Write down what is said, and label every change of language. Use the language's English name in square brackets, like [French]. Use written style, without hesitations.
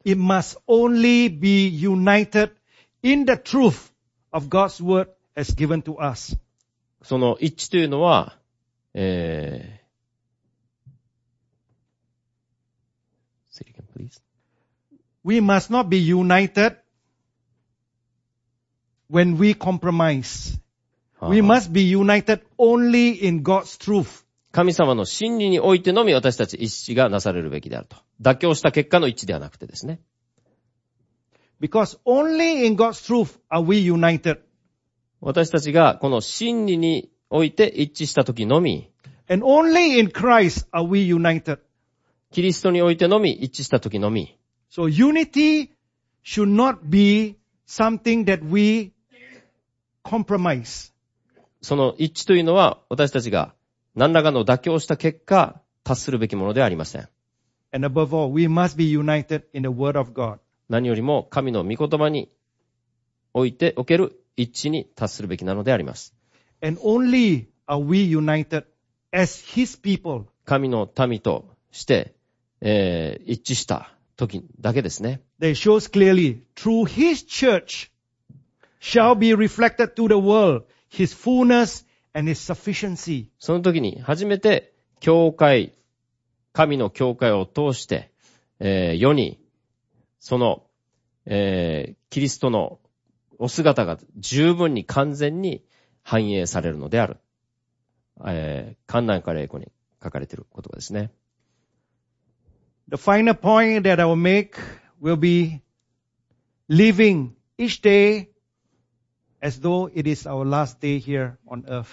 [English] It must only be united in the truth of God's word as given to us. [Japanese] その一致というのは、 [English] Say it again, please. We must not be united when we compromise. We must be united only in God's truth. [Japanese] 神様の真理においてのみ私たち一致がなされるべきであると。妥協した結果の一致ではなくてですね。 [English] Because only in God's truth are we united. [Japanese] 私たちがこの真理において一致したときのみ、 [English] And only in Christ are we united. [Japanese] キリストにおいてのみ一致したときのみ、 [English] So unity should not be something that we compromise. [Japanese] その一致というのは私たちが何らかの妥協した結果、達するべきものではありません。 [English] And above all, we must be united in the word of God. [Japanese] 何よりも神の御言葉においておける一致に達するべきなのであります。 [English] And only are we united as his people. [Japanese] 神の民として、一致した時だけですね。 [English] That shows clearly, through his church shall be reflected to the world his fullness. And its sufficiency. [Japanese] その時に初めて教会、神の教会を通して、世にその、キリストのお姿が十分に完全に反映されるのである。観覧から英語に書かれている言葉ですね。 [English] The final point that I will make will be living each dayAs though it is our last day here on earth.